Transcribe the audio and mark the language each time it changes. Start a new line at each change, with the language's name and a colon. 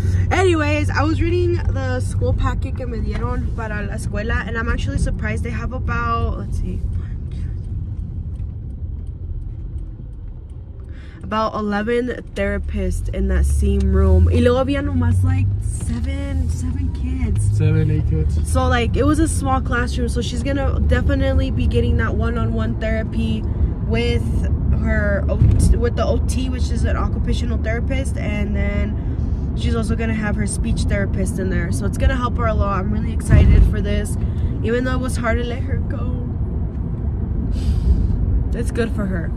English: Anyways, I was reading the school packet
Spanish: que me dieron para la escuela,
English: and I'm actually surprised they have about, let's see, about 11 therapists in that same room.
Spanish: Y luego había nomás
English: like seven eight kids. So like, it was a small classroom, so she's gonna definitely be getting that one-on-one therapy with her, with the OT, which is an occupational therapist, and then she's also gonna have her speech therapist in there. So it's gonna help her a lot. I'm really excited for this. Even though it was hard to let her go, it's good for her.